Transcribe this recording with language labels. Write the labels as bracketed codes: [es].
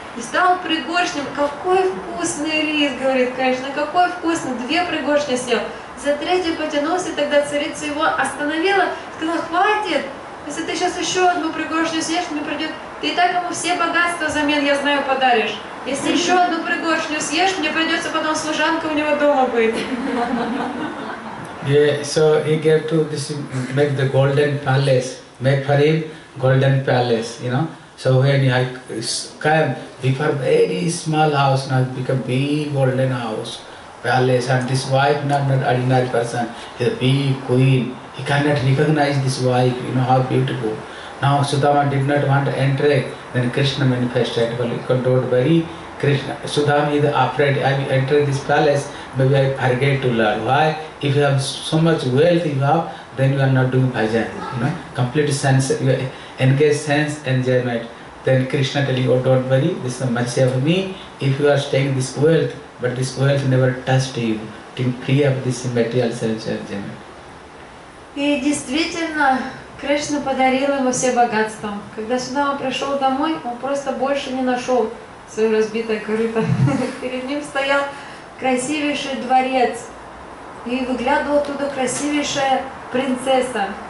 [ru] И стал пригоршнем. Какой вкусный рис, говорит Кришна, какой вкусный. Две пригоршни съел. За третью потянулся, тогда царица его остановила, сказала: хватит, если ты сейчас еще одну пригоршню съешь, мне придет, ты и так ему все богатства взамен, я знаю, подаришь. Если еще одну пригоршню съешь, мне придется потом служанка у него дома быть. [en] Yeah, so he get to this, make the golden palace, make for him golden palace, you know. So when he came, before very small house, now become big golden house. Palace, and this wife not ordinary person, he's a big queen. He cannot recognize this wife, you know, how beautiful. Now Sudama did not want to enter, then Krishna manifested. Well, he controlled very Krishna. Sudama is afraid, I will enter this palace, maybe I forget to learn. Why? If you have so much wealth you have, then you are not doing bhajan, you know. Complete sense, you engage sense enjoyment. Then Krishna telling, oh, don't worry, this is the mercy of me, if you are staying this wealth, but this wealth never touched you, to free up this material self-enjoyment. [ru] И действительно, Кришна подарил ему все богатства. Когда Судама пришел домой, он просто больше не нашел свое разбитое корыто. Перед ним стоял красивейший дворец, и выглядывала оттуда красивейшая принцесса.